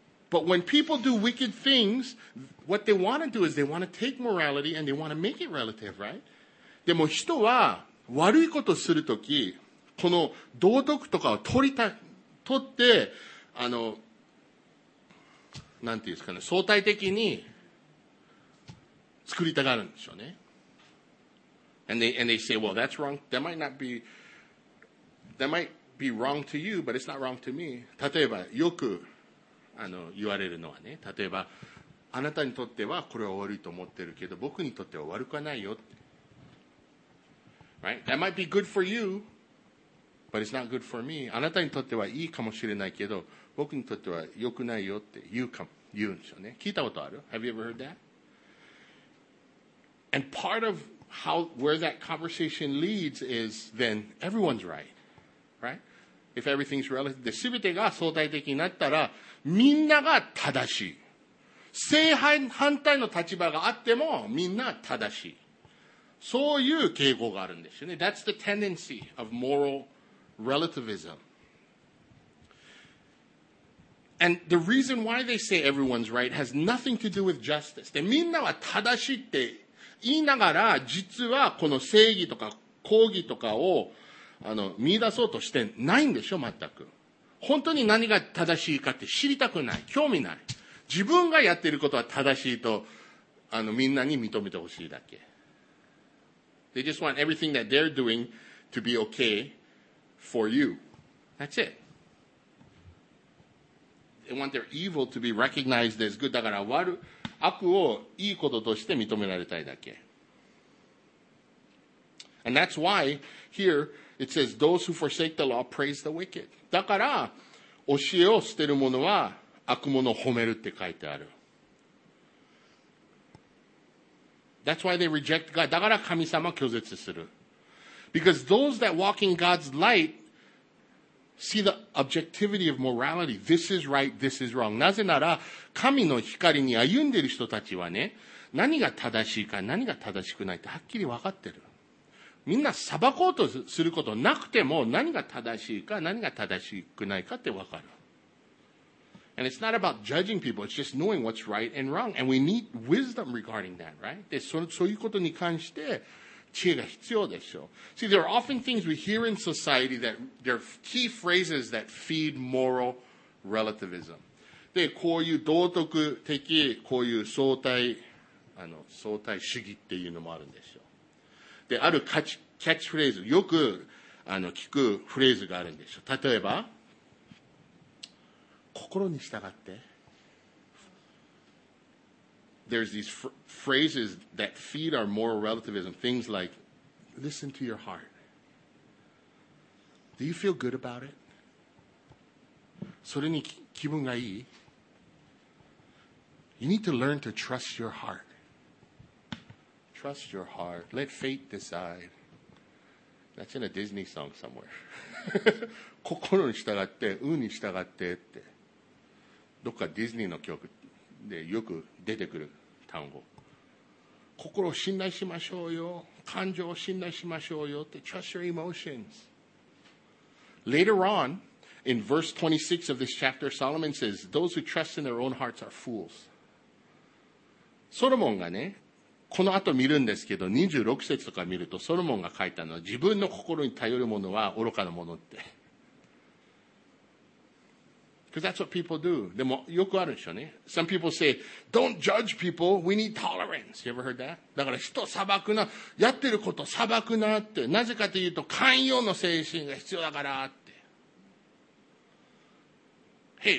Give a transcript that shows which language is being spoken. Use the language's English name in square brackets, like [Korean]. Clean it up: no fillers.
[English] But when people do wicked things, what they want to do is they want to take morality and they want to make it relative, right? [Japanese] でも人は悪いことをするとき、この道徳とかを取って、なんていうんですかね、相対的に作りたがるんでしょうね。 [English] And they say, well, that's wrong. That might be wrong to you, but it's not wrong to me. [Japanese] 例えば、よく、言われるのはね、例えば、あなたにとってはこれは悪いと思ってるけど、僕にとっては悪くはないよって。 [English] Right? That might be good for you. But it's not good for me. [Japanese] あなたにとってはいいかもしれないけど、僕にとっては良くないよって言うんでしょうね。聞いたことある? [English] Have you ever heard that? And part of where that conversation leads is then everyone's right. Right? If everything's relative. [Japanese] で、全てが相対的になったら、みんなが正しい。正反対の立場があっても、みんな正しい。そういう傾向があるんですよね。 [English] That's the tendency of moral relativism. And the reason why they say everyone's right has nothing to do with justice. [Japanese] で、みんなは正しいって言いながら、実はこの正義とか公義とかを見出そうとしてないんでしょ、全く。本当に何が正しいかって知りたくない、興味ない。自分がやっていることは正しいとみんなに認めてほしいだけ。 [English] They just want everything that they're doing to be okay for you. That's it. They want their evil to be recognized as good. [Japanese] だから悪をいいこととして認められたいだけ。 [English] And that's why here it says those who forsake the law praise the wicked. [Japanese] だから教えを捨てる者は悪者を褒めるって書いてある。 [English] That's why they reject God. [Japanese] だから神様を拒絶する。 [English] Because those that walk in God's light see the objectivity of morality. This is right, this is wrong. [Japanese] なぜなら神の光に歩んでる人たちはね、何が正しいか何が正しくないってはっきり分かってる。みんな裁こうとすることなくても何が正しいか何が正しくないかって分かる。 [English] And it's not about judging people, it's just knowing what's right and wrong. And we need wisdom regarding that, right? [Japanese] で、そういうことに関して知恵が必要でしょう。 [English] See, there are often things we hear in society that there are key phrases that feed moral relativism. [Japanese] で、こういう道徳的、こういう相対主義っていうのもあるんでしょう。で、あるキャッチフレーズ、よく聞くフレーズがあるんでしょう。例えば、心に従って。 [English] There's these phrases that feed our moral relativism. Things like, listen to your heart. Do you feel good about it? [Japanese] それに気分がいい? [English] You need to learn to trust your heart. Trust your heart. Let fate decide. That's in a Disney song somewhere. [Japanese] 心に従って、運に従ってって。どっかディズニーの曲でよく出てくる単語。心を信頼しましょうよ。感情を信頼しましょうよって。 [English] Trust your emotions. Later on, in verse 26 of this chapter, Solomon says, those who trust in their own hearts are fools. [Japanese] ソロモンがね、この後見るんですけど、26節とか見ると、ソロモンが書いたのは、自分の心に頼るものは愚かなものって。 [English] Because that's what people do. [Japanese] でもよくあるでしょうね。 [English] Some people say, don't judge people, we need tolerance. You ever heard that? [Japanese] だから人裁くな、やってること裁くなって、なぜかというと寛容の精神が必要だからって。